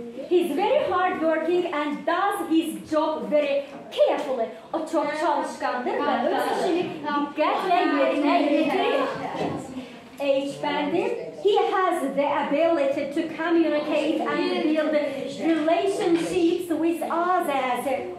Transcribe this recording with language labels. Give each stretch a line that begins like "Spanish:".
English: He's very hard working and does his job very carefully.
Turkish: O çok çalışkandır ve öz işini dikkatle yerine getirir. H bendim.
English: He has the ability to communicate and build relationships with others.